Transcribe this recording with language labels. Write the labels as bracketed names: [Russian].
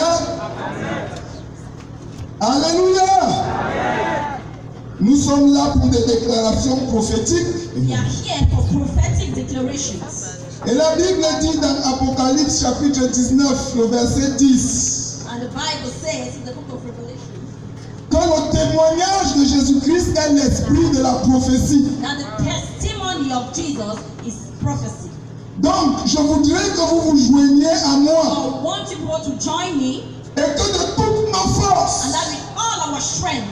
[French] Amen. Alléluia. Amen. Nous sommes là pour des déclarations prophétiques. We are here for prophetic declarations. Et la Bible dit dans Apocalypse chapitre 19, le verset 10. [English] And the Bible says in the book of Revelation. [French] Que le témoignage de Jésus-Christ est l'esprit de la prophétie. [English] Now the testimony of Jesus is prophecy. [French] Donc, je voudrais que vous vous joigniez à moi. [English] I want you all to join me. [French] Et que de toutes nos forces. [English] And that with all our strength.